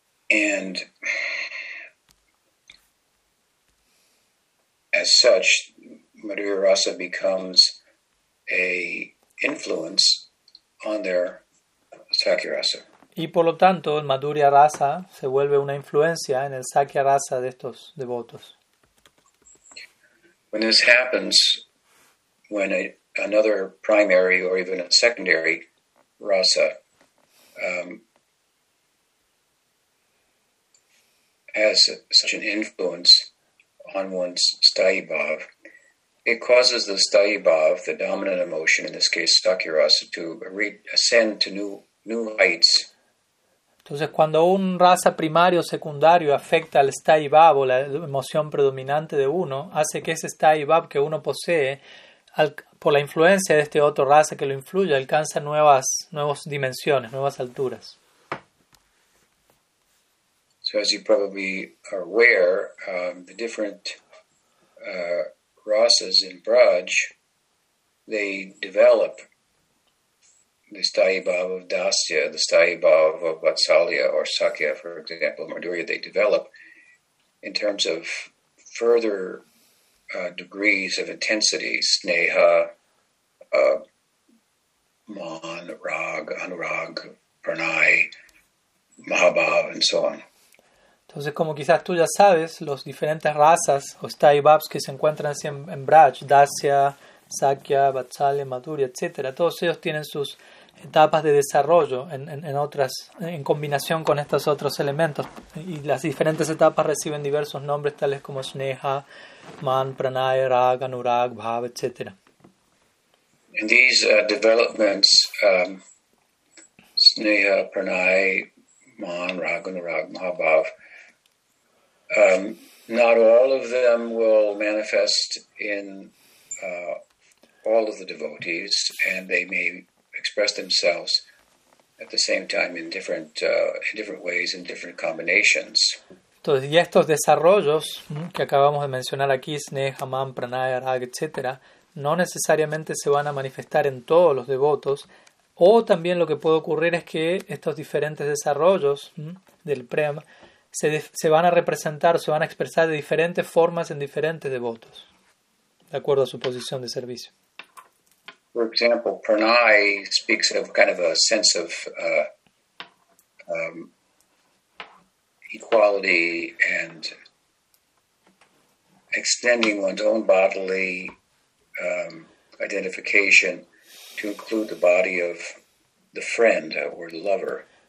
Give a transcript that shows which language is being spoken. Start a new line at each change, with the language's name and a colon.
English: And as such, Madhurya Rasa becomes a influence on their Sakya Rasa.
Spanish: Y por lo tanto, el Madhurya Rasa se vuelve una influencia en el Sakya Rasa de estos devotos.
English: When this happens, when another primary or even a secondary rasa has such an influence on one's sthayibhava. It causes the sthayibhava, the dominant emotion, in this case sakirasa, to ascend to new heights.
Spanish: Entonces, cuando un rasa primario o secundario afecta al sthayibhava, la emoción predominante de uno, hace que ese sthayibhava que uno posee, por la influencia de este otro rasa que lo influye, alcanza nuevas dimensiones, nuevas alturas.
English: So as you probably are aware, the different rasas in Braj, they develop the sthayibhava of dasya, the sthayibhava of vatsalya or sakya, for example, madhurya, they develop in terms of further degrees of intensity, sneha, man, rag, anurag, pranay, mahabhav, and so on.
Spanish: Entonces, como quizás tú ya sabes, los diferentes razas o sthayibhavas que se encuentran así en Braj, dasya, sakya, vatsalya, madhurya, etc., todos ellos tienen sus etapas de desarrollo en combinación con estos otros elementos, y las diferentes etapas reciben diversos nombres tales como sneha, man, pranaya, raga, anurag, bhava, etc.
English: And these developments, sneha, pranaya, man, raga, anurag, mahabhava, not all of them will manifest in all of the devotees, and they may express themselves at the same time in different ways, in different combinations.
Spanish: Entonces, y estos desarrollos que acabamos de mencionar aquí, sneha, man, pranaya, raga, etc., no necesariamente se van a manifestar en todos los devotos, o también lo que puede ocurrir es que estos diferentes desarrollos del prem se van a representar, se van a expresar de diferentes formas en diferentes devotos, de acuerdo a su posición de servicio.
English: For example, pranay speaks of kind of a sense of equality and extending one's own bodily identification to include the body of the friend or the lover.